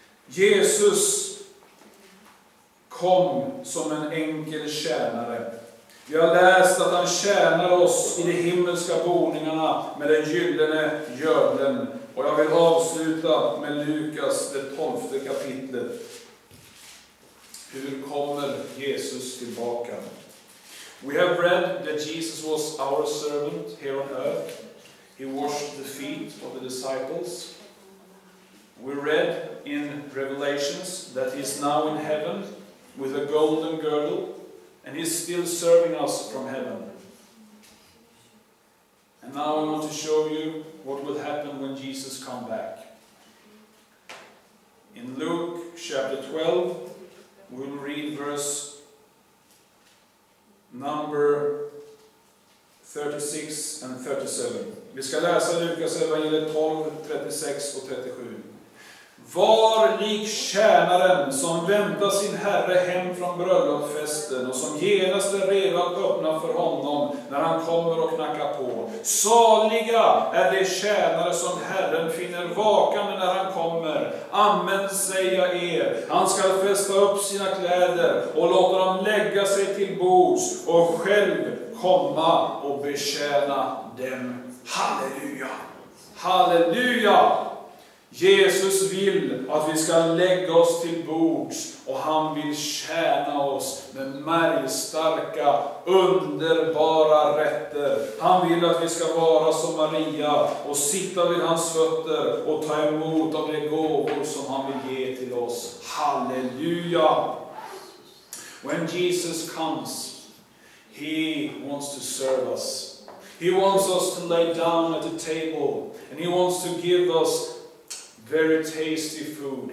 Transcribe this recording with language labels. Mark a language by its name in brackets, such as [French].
[Swedish] Jesus kom som en enkel tjänare. Vi har läst att han tjänar oss i de himmelska boningarna med den gyllene gödeln. Och jag vill avsluta med Lukas, det 12:e kapitlet. Hur kommer Jesus tillbaka? [English] We have read that Jesus was our servant here on earth. He washed the feet of the disciples. We read in Revelations that he is now in heaven with a golden girdle. And he is still serving us from heaven. And now I want to show you what will happen when Jesus comes back. In Luke chapter 12, we'll read verse number 36 and 37. [Swedish] Vi ska läsa Lukas evangeliet 12, 36 och 37. Var lik tjänaren som väntar sin herre hem från bröllopsfesten och som genast är redo att öppna för honom när han kommer och knackar på. Saliga är de tjänare som herren finner vakande när han kommer. Amen, säger jag er. Han ska fästa upp sina kläder och låta dem lägga sig till bords och själv komma och betjäna dem. Halleluja! Halleluja! Jesus vill att vi ska lägga oss till bords och han vill tjäna oss med märgstarka, underbara rätter. Han vill att vi ska vara som Maria och sitta vid hans fötter och ta emot av de gåvor som han vill ge till oss. Halleluja! [English] When Jesus comes, he wants to serve us. He wants us to lay down at the table and he wants to give us very tasty food.